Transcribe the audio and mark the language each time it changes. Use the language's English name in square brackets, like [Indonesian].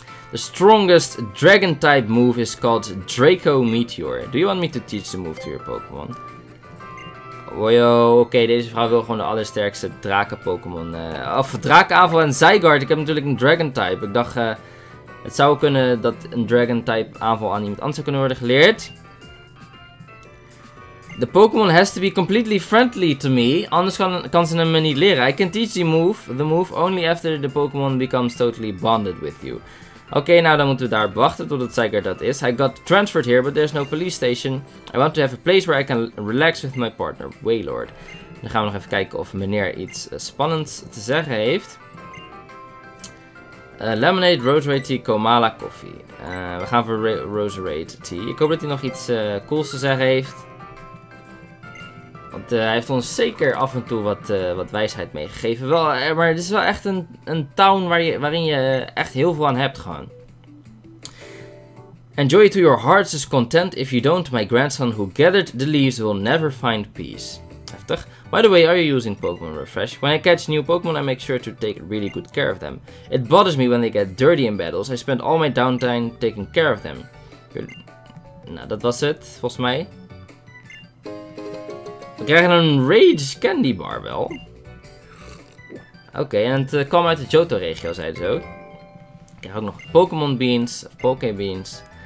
[English] The strongest dragon-type move is called Draco Meteor. Do you want me to teach the move to your Pokémon? [Dutch] Oké, deze vrouw wil gewoon de allersterkste draken-Pokémon. Of draakaanval en Zygarde, ik heb natuurlijk een dragon-type. Ik dacht... Het zou kunnen dat een Dragon-type aanval aan iemand anders zou kunnen worden geleerd. [English] The Pokémon has to be completely friendly to me, [Dutch] anders kan ze hem niet leren. [English] I can teach the move only after the Pokémon becomes totally bonded with you. [Dutch] Oké, nou dan moeten we daar wachten totdat zeker dat is. [English] I got transferred here, but there's no police station. I want to have a place where I can relax with my partner, Wailord. [Dutch] Dan gaan we nog even kijken of meneer iets spannends te zeggen heeft. Lemonade, Roserade Tea, Komala Koffie. We gaan voor Roserade Tea. Ik hoop dat hij nog iets cools te zeggen heeft. Want hij heeft ons zeker af en toe wat wijsheid meegegeven. Maar het is wel echt een town waarin je echt heel veel aan hebt gewoon. [English] Enjoy to your heart's is content. If you don't, my grandson who gathered the leaves will never find peace. Heftig. By the way, are you using Pokemon Refresh? When I catch new Pokemon, I make sure to take really good care of them. It bothers me when they get dirty in battles. I spend all my downtime taking care of them. [Dutch] Nou, dat was het, volgens mij. We krijgen een Rage Candy Bar wel. Oké, en het kwam uit de Johto-regio, zei ze ook. Ik krijg ook nog Pokemon Beans, Pokebeans.